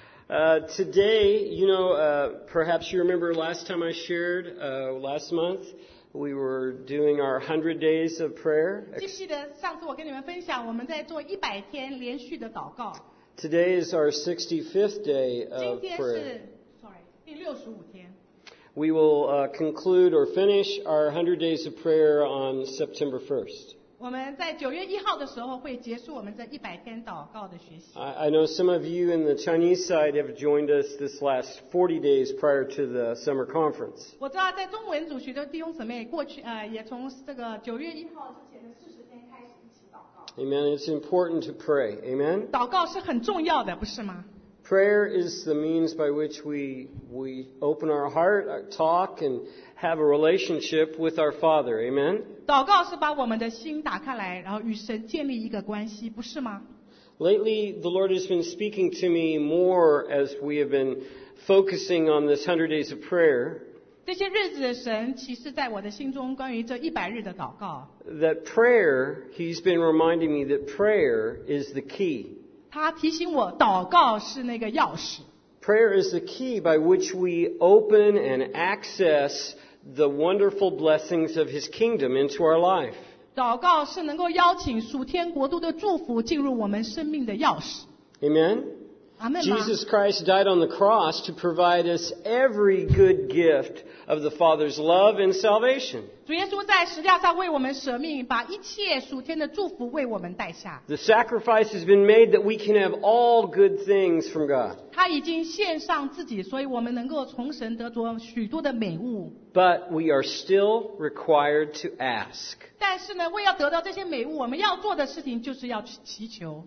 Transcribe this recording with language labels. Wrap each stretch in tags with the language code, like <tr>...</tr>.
<en>Today, you know, perhaps you remember last time I shared, last month, we were doing our 100 days of prayer.</en> <zh>记不记得上次我跟你们分享，我们在做一百天连续的祷告。</zh> <en>Today is our 65th day of prayer.</en> <zh>今天是第65天。</zh> <en>We will conclude or finish our 100 days of prayer on September 1st.</en> <zh>我们在9月1号的时候会结束我们这100天祷告的学习。</zh> <en>I know some of you in the Chinese side have joined us this last 40 days prior to the summer conference.</en> <zh>我知道在中文组许多弟兄姊妹过去也从这个9月1号之前的40天开始一起祷告。</zh> <en>Amen. It's important to pray. Amen.</en> <zh>祷告是很重要的，不是吗？</zh> <en>Prayer is the means by which we open our heart, talk, and have a relationship with our Father. Amen.</en> <zh>祷告是把我们的心打开来，然后与神建立一个关系，不是吗？</zh> <en>Lately, the Lord has been speaking to me more as we have been focusing on this 100 days of prayer.</en> <zh>这些日子，神启示在我的心中关于这一百日的祷告。</zh> <en>That prayer, He's been reminding me that prayer is the key.</en> <zh>他提醒我，祷告是那个钥匙。</zh> <en>Prayer is the key by which we open and access the wonderful blessings of His kingdom into our life.</en> <zh>祷告是能够邀请属天国度的祝福进入我们生命的钥匙。</zh> <en>Amen. Amen. Jesus Christ died on the cross to provide us every good gift of the Father's love and salvation.</en> <zh>主耶稣在十架上为我们舍命，把一切属天的祝福为我们带下。</zh> <en>The sacrifice has been made that we can have all good things from God.</en> <zh>他已经献上自己，所以我们能够从神得着许多的美物。</zh> <en>But we are still required to ask.</en> <zh>但是呢，为要得到这些美物，我们要做的事情就是要去祈求。</zh>